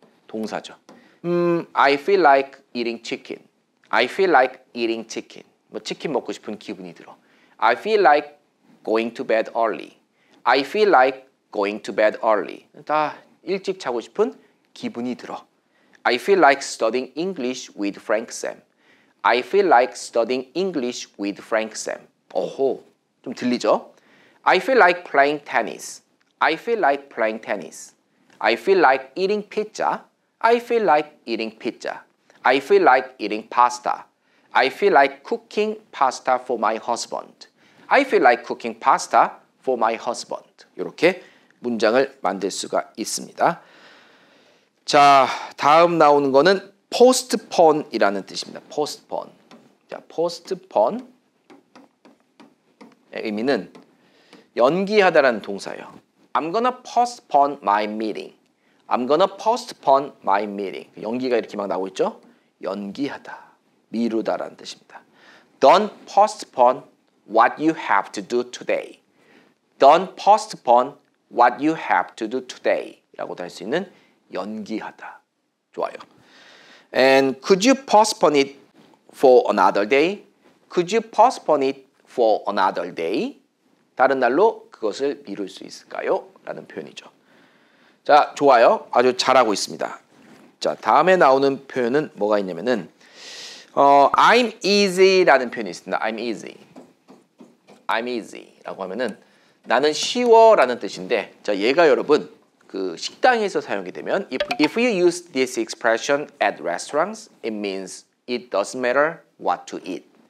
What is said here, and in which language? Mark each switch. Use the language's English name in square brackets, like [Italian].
[Korean] 동사죠. [English] I feel like eating chicken. I feel like eating chicken. [Korean] 뭐 치킨 먹고 싶은 기분이 들어. [English] I feel like going to bed early. I feel like going to bed early. [Korean] 다 일찍 자고 싶은 기분이 들어. [English] I feel like studying English with Frank Sam. I feel like studying English with Frank Sam. [Korean] 오호, 좀 들리죠? [English] I feel like playing tennis. I feel like playing tennis. I feel like eating pizza. I feel like eating pizza. I feel like eating pasta. I feel like cooking pasta for my husband. I feel like cooking pasta for my husband. [Korean] 이렇게 문장을 만들 수가 있습니다. 자, 다음 나오는 거는 postpone이라는 뜻입니다. postpone. 자, postpone의 의미는 연기하다라는 동사예요. [English] I'm gonna postpone my meeting. I'm gonna postpone my meeting. [Korean] 연기가 이렇게 막 나오고 있죠? 연기하다, 미루다라는 뜻입니다. [English] Don't postpone what you have to do today. Don't postpone what you have to do today. [Korean] 라고도 할 수 있는 연기하다. 좋아요. [English] And could you postpone it for another day? Could you postpone it for another day? [Korean] 다른 날로 그것을 미룰 수 있을까요? 라는 표현이죠. 자, 좋아요. 아주 잘하고 있습니다. 자, 다음에 나오는 표현은 뭐가 있냐면은 I'm easy라는 표현이 있습니다. [English] I'm easy. I'm easy [Korean] 라고 하면은 나는 쉬워라는 뜻인데 자, 얘가 여러분 그 식당에서 사용이 되면 [English] if you use this expression at restaurants, it means it doesn't matter what to eat.